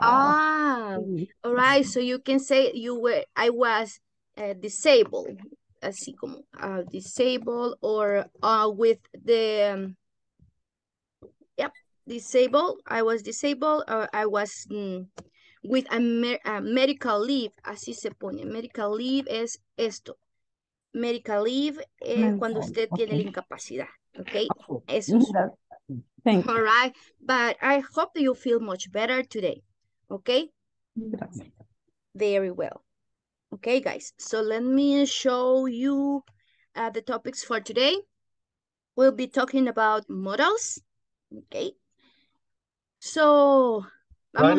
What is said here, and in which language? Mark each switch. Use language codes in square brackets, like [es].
[en] Ah, all right, so you can say you were, I was disabled, [es] así como [en] disabled or with the, yep, disabled, I was disabled, or I was with a medical leave, [es] así se pone, [en] medical leave [es] es esto, [en] medical leave [es] es mental. Cuando usted tiene la incapacidad, okay, eso es. [en] Thank you. All right, but I hope that you feel much better today, okay? [es] Gracias. [en] Very well. Okay, guys, so let me show you the topics for today. We'll be talking about models, okay? So, [es] vamos